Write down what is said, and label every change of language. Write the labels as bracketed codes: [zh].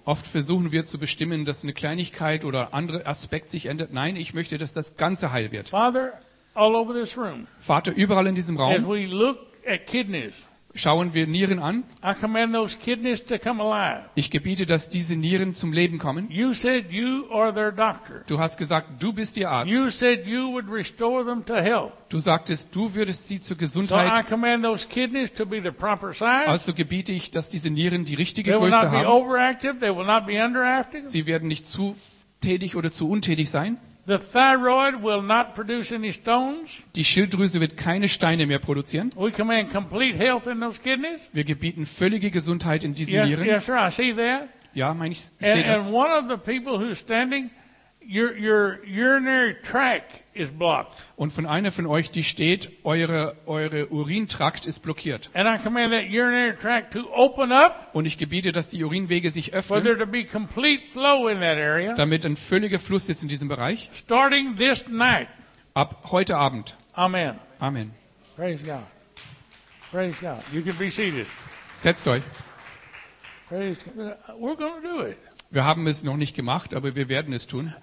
[de] Oft versuchen wir zu bestimmen, dass eine Kleinigkeit oder andere Aspekt sich ändert. Nein, ich möchte, dass das Ganze heil wird. [en] Father, all over this room. [de] Vater, überall in diesem Raum. [en] As we look at kidneys. [de] Schauen wir Nieren an. [en] I command those kidneys to come alive. [de] Ich gebiete, dass diese Nieren zum Leben kommen. [en] You said you are their doctor. [de] Du hast gesagt, du bist ihr Arzt. [en] You said you would restore them to health. [de] Du sagtest, du würdest sie zur Gesundheit. [en] So I command those kidneys to be the proper size. [de] Also gebiete ich, dass diese Nieren die richtige [en] they will [de] Größe [en] not be [de] haben. [en] Overactive, they will not be underactive. [de] Sie werden nicht zu tätig oder zu untätig sein. [en] The thyroid will not produce any stones. [de] Die Schilddrüse wird keine Steine mehr produzieren. [en] We command complete health in those kidneys. [de] Wir gebieten völlige Gesundheit in diese Nieren. [en] Yes, sir, I see that. [de] Ja, ich sehe das. [en] And one of the people who's standing, your urinary tract is blocked. [de] Und von einer von euch, die steht, eure Urintrakt ist blockiert. [en] And I command that urinary tract to open up. [de] Und ich gebiete, dass die Urinwege sich öffnen. [en] For there to be complete flow in that area. [de] Damit ein völliger Fluss ist in diesem Bereich. [en] Starting this night. [de] Ab heute Abend. [en] Amen. [de] Amen. [en] Praise God. Praise God. You can be seated. [de] Setzt euch. [en] Praise God. We're going to do it. [de] Wir haben es noch nicht gemacht, aber wir werden es tun.